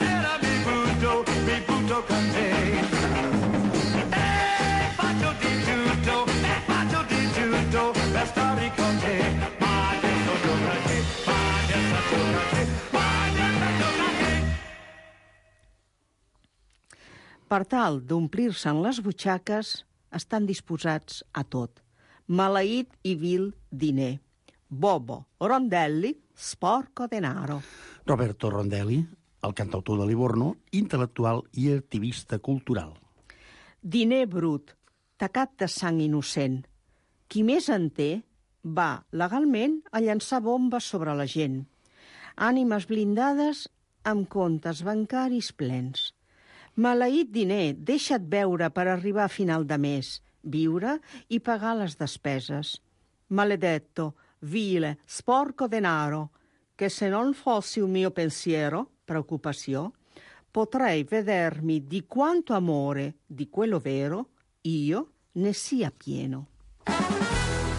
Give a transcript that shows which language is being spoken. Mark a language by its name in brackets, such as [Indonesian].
[Italian] E faccio di tutto per stare con te. Ma adesso gioca a te, ma adesso gioca a te. [Catalan] Per tal d'omplir-se'n les butxaques, estan disposats a tot. Maleït i vil diner. Bobo, Rondelli, [Italian] sporco denaro. [Catalan] Roberto Rondelli, el cantautor de Livorno, intel·lectual i activista cultural. Diner brut, tacat de sang innocent. Qui més en té, va legalment a llançar bombes sobre la gent. Ànimes blindades amb comptes bancaris plens. Maleït diner, deixa't veure per arribar a final de mes, viure i pagar les despeses. [Italian] Maledetto, vile, sporco denaro, que se non fossi un mio pensiero, preocupació, potrei vedermi di quanto amore, di quello vero, io ne sia pieno.